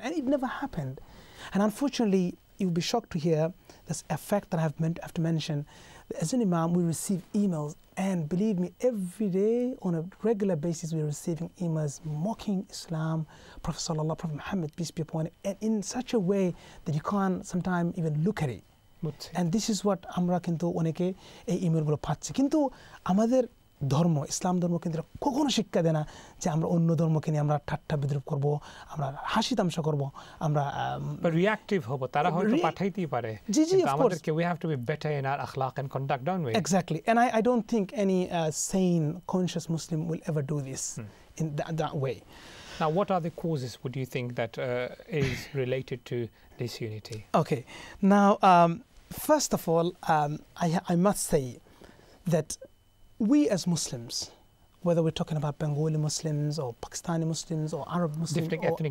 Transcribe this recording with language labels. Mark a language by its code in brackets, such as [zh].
[en] Yeah. And it never happened. And unfortunately, you'll be shocked to hear this effect that I have to mention. As an imam, we receive emails, and believe me, every day on a regular basis, we're receiving emails mocking Islam, Prophet sallallahu, Prophet Muhammad, peace be upon him, and in such a way that you can't sometimes even look at it. And this is what [bn] amra kintu oneke ei email gulo pacchi. Kintu amader ধর্ম, ইসলাম ধর্ম কিন্তু কখনো শিক্ষা দেয় না যে আমরা অন্য ধর্মকে নিয়ে আমরা ঠাট্টা বিদ্রুপ করব, আমরা হাসি তামাশা করব, আমরা রিঅ্যাকটিভ হব, তারা হয়তো পাঠাইতেই পারে. জি জি, [en] Of course, কে we have to be better in our akhlaq and conduct, don't we? Exactly. And I don't think any sane conscious Muslim will ever do this in that way. Now, what are the causes, would you think, that is related to this unity? Okay. Now, first of all, I must say that we as Muslims, whether we're talking about Bengali Muslims or Pakistani Muslims or Arab Muslims or African